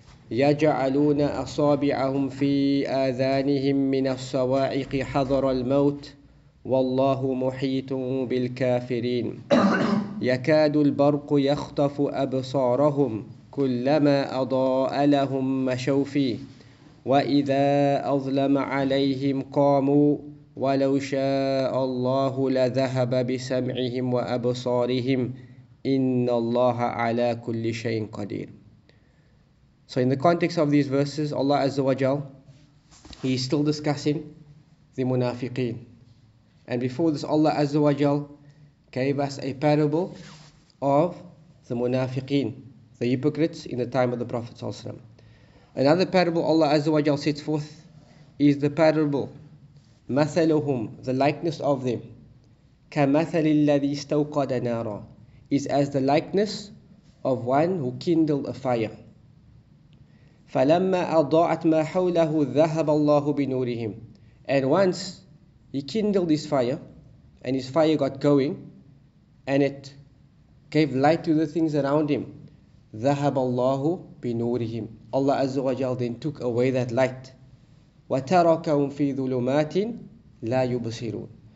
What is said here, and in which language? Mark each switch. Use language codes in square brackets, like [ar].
[ar] يجعلون أصابعهم في آذانهم من الصواعق حذر الموت والله محيط بالكافرين يكاد البرق يخطف أبصارهم كلما أضاء لهم مشوا فيه وإذا أظلم عليهم قاموا وَلَوْ شَاءَ اللَّهُ لَذَهَبَ بِسَمْعِهِمْ وَأَبْصَارِهِمْ إِنَّ اللَّهَ عَلَىٰ كُلِّ شَيْءٍ قَدِيرٍ. [en] So in the context of these verses, Allah Azza wa Jal, He is still discussing the munafiqeen. And before this, Allah Azza wa Jal gave us a parable of the munafiqeen, the hypocrites in the time of the Prophet Sallallahu Alaihi Wasallam. Another parable Allah Azza wa Jal sets forth is the parable مثلهم, the likeness of them, [ar] كمثل الذي استوقد نارا, [en] is as the likeness of one who kindled a fire. [ar] فلما أضاءت ما حوله ذهب الله بنورهم. [en] And once he kindled his fire, and his fire got going, and it gave light to the things around him, [ar] ذهب الله بنورهم. [en] Allah Azza wa Jal then took away that light. [ar] وَتَرَكَهُمْ فِي ظُلُمَاتٍ لَا يُبْصِرُونَ.